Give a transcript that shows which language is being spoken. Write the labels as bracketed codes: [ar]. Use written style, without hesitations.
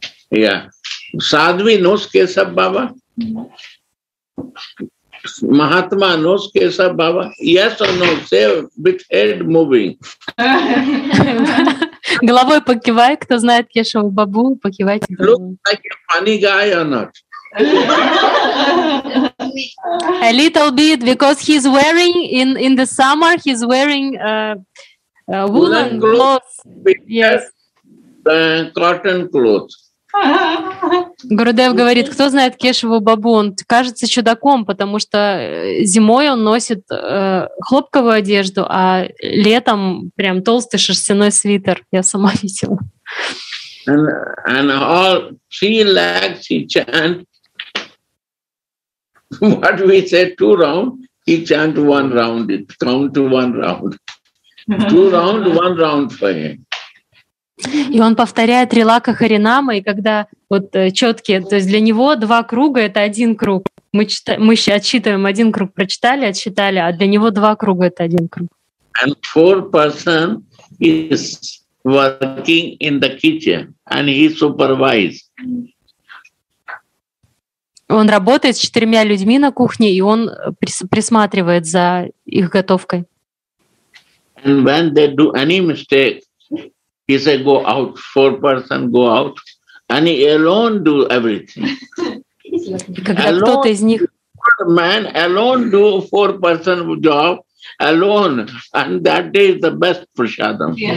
[en] Yeah. Садви knows Кесава Баба? Махатма knows Кесава Баба? Yes or no? Say with head moving. [ru] Головой покивай, кто знает Кешаву Бабу, покивайте. [en] Look like a funny guy or not? A little bit, because he's wearing in the summer, he's wearing woolen clothes. Yes. Cotton clothes. [ru] Гурудев говорит, кто знает Кешаву Бабу? Он кажется чудаком, потому что зимой он носит хлопковую одежду, а летом прям толстый шерстяной свитер. Я сама видела. [en] And all three legs he chant. What we say, two round, he chant one round, it count to one round. Two round, one round for him. [ru] И он повторяет Рилака Харинама, и когда вот четкие, то есть для него два круга — это один круг. Мы еще отсчитываем, один круг прочитали, отсчитали, а для него два круга — это один круг. [en] And four person is working in the kitchen, and he supervise. [ru] Он работает с четырьмя людьми на кухне, и он присматривает за их готовкой. [en] And when they do any mistake, he say go out, four person go out, and he alone do everything. [ru] Когда кто-то из них... [en] Man alone do four person job, alone, and that day is the best prasadam.